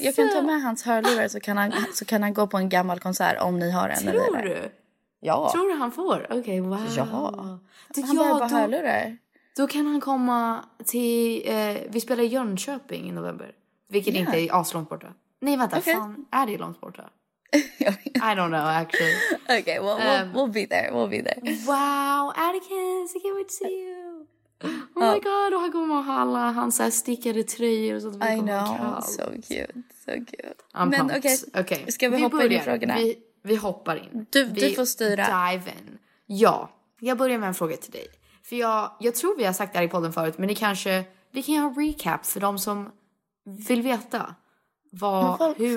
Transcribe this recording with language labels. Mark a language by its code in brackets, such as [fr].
[sv] Jag kan ta med hans hörlurar så kan han gå på en gammal konsert om ni har en. Tror eller du? Ja. Tror du han får? Okej, okay, wow. Ja. Det, han behöver bara hörlurar. Då kan han komma till, vi spelar Jönköping i november. Vilket inte är aslångt borta. Nej, vänta, fan, är det långt borta? [en] I don't know, actually. Okay, well, we'll be there, we'll be there. Wow, Atticus, I can't wait to see you. Oh my god, [sv] och han kommer att ha alla hans stickade tröjor och sånt. [en] I know, kallt. So cute, so cute. [sv] Men [en] okay. [sv] Ska vi hoppa in i frågorna? Vi hoppar in. Du får styra. [en] Dive in. [sv] Ja, jag börjar med en fråga till dig. För jag tror vi har sagt det här i podden förut, men det kanske, vi kan göra en recap för dem som vill veta vad, hur